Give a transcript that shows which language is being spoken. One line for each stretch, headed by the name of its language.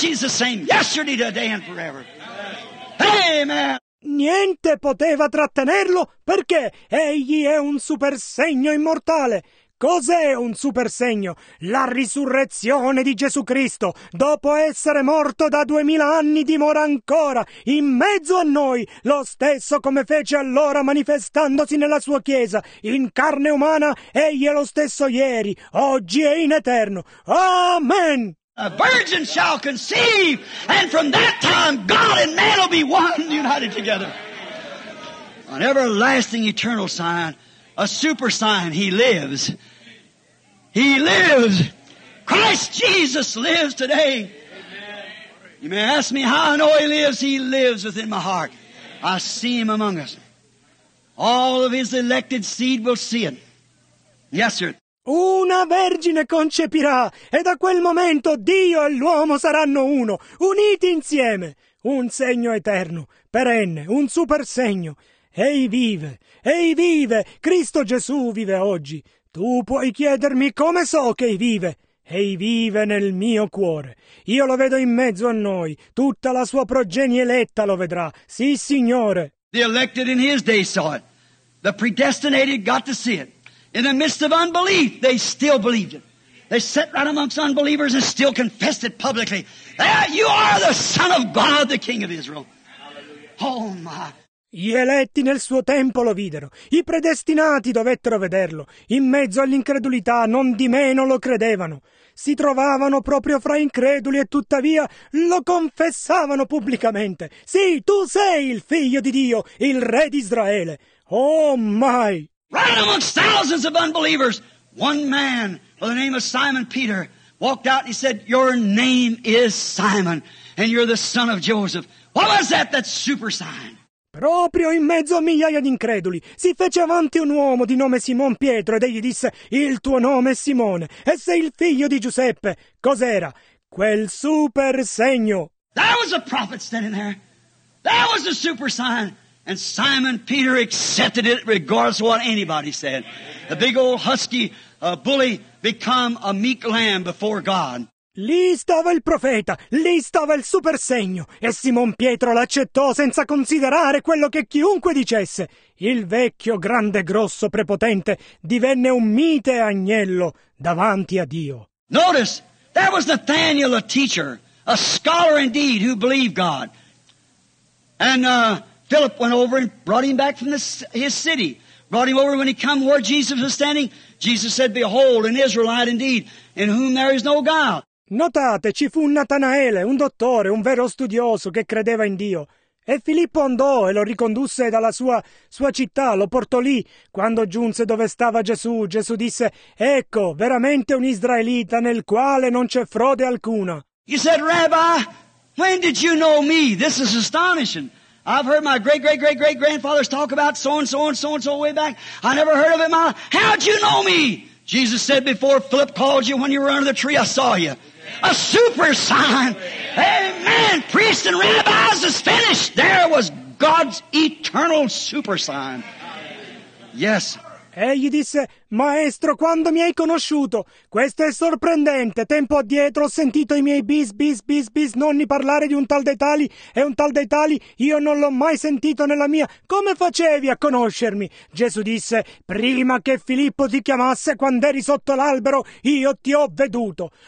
English: He's the same yesterday, today, and forever. Amen.
Italian: Niente poteva trattenerlo, perché egli è un super segno immortale. Cos'è un super segno? La risurrezione di Gesù Cristo. Dopo essere morto da 2000 anni, dimora ancora in mezzo a noi, lo stesso come fece allora manifestandosi nella sua Chiesa. In carne umana, egli è lo stesso ieri, oggi e in eterno. Amen!
English: A virgin shall conceive, and from that time God and man will be one, united together. An everlasting eternal sign. A super sign. He lives. He lives. Christ Jesus lives today. Amen. You may ask me how I know he lives. He lives within my heart. I see him among us. All of his elected seed will see it. Yes, sir.
Italian: Una vergine concepirà, e da quel momento Dio e l'uomo saranno uno, uniti insieme. Un segno eterno, perenne, un super segno. Ehi vive, Cristo Gesù vive oggi. Tu puoi chiedermi come so che vive. Egli vive nel mio cuore. Io lo vedo in mezzo a noi. Tutta la sua progenie eletta lo vedrà. Sì, Signore.
English: The elected in his day saw it. The predestinated got to see it. In the midst of unbelief, they still believed it. They sat right amongst unbelievers and still confessed it publicly. You are the Son of God, the King of Israel. Oh my.
Italian: Gli eletti nel suo tempo lo videro, i predestinati dovettero vederlo, in mezzo all'incredulità non di meno lo credevano, si trovavano proprio fra increduli e tuttavia lo confessavano pubblicamente. Sì, tu sei il figlio di Dio, il re di Israele.
English: Oh my! Right amongst thousands of unbelievers, one man by the name of Simon Peter walked out and he said, your name is Simon and you're the son of Joseph. What was that super sign?
Italian: Proprio in mezzo a migliaia di increduli, si fece avanti un uomo di nome Simon Pietro ed egli disse, il tuo nome è Simone, e sei il figlio di Giuseppe. Cos'era? Quel super segno.
English: That was a prophet standing there. That was a super sign. And Simon Peter accepted it regardless of what anybody said. The big old husky bully become a meek lamb before God.
Italian: Lì stava il profeta, lì stava il super segno, e Simon Pietro l'accettò senza considerare quello che chiunque dicesse. Il vecchio, grande, grosso, prepotente divenne un mite agnello davanti a Dio.
English: Notice, there was Nathaniel, a teacher, a scholar indeed, who believed God. And Philip went over and brought him back from his city. Brought him over when he come where Jesus was standing. Jesus said, behold, an Israelite indeed, in whom there is no guile.
Italian: Notate, ci fu Natanaele, un dottore, un vero studioso che credeva in Dio. E Filippo andò e lo ricondusse dalla sua città, lo portò lì. Quando giunse dove stava Gesù, Gesù disse, ecco, veramente un israelita nel quale non c'è frode alcuna.
English: He said, Rabbi, when did you know me? This is astonishing. I've heard my great-great-great-great-grandfathers talk about so-and-so way back. I never heard of it. How'd you know me? Jesus said, before Philip called you when you were under the tree, I saw you. A super sign. Amen. Priests and rabbis is finished. There was God's eternal super sign. Yes.
Italian: Egli disse, maestro, quando mi hai conosciuto? Questo è sorprendente. Tempo addietro ho sentito i miei bis nonni parlare di un tal dei tali e un tal dei tali. Io non l'ho mai sentito nella mia. Come facevi a conoscermi? Gesù disse, prima che Filippo ti chiamasse, quando eri sotto l'albero, io ti ho veduto.